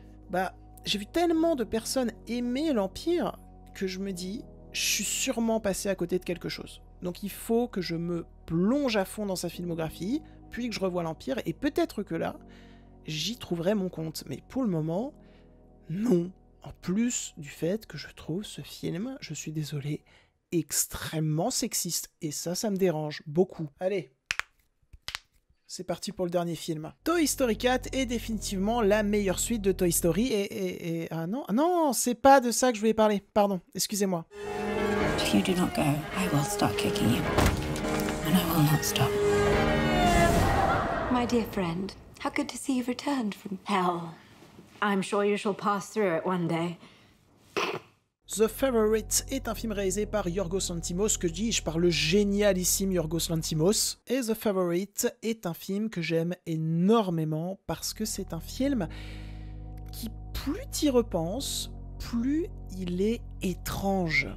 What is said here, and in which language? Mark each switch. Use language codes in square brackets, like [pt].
[fr] bah, j'ai vu tellement de personnes aimer l'Empire, que je me dis, je suis sûrement passé à côté de quelque chose, donc il faut que je me plonge à fond dans sa filmographie, puis que je revoie l'Empire, et peut-être que là, j'y trouverai mon compte, mais pour le moment, non, en plus du fait que je trouve ce film, je suis désolé, extrêmement sexiste, et ça me dérange beaucoup. Allez, c'est parti pour le dernier film. Toy Story 4 est définitivement la meilleure suite de Toy Story et Ah non, c'est pas de ça que je voulais parler. Pardon, excusez-moi. [en] If you do not go, I will start kicking you. And I will not stop. My dear friend, how good to see you've returned from hell. I'm sure you shall pass through it one day. [fr] The Favourite est un film réalisé par Yorgos Lanthimos, que dis-je, par le génialissime Yorgos Lanthimos. Et The Favourite est un film que j'aime énormément parce que c'est un film qui, plus t'y repenses, plus il est étrange.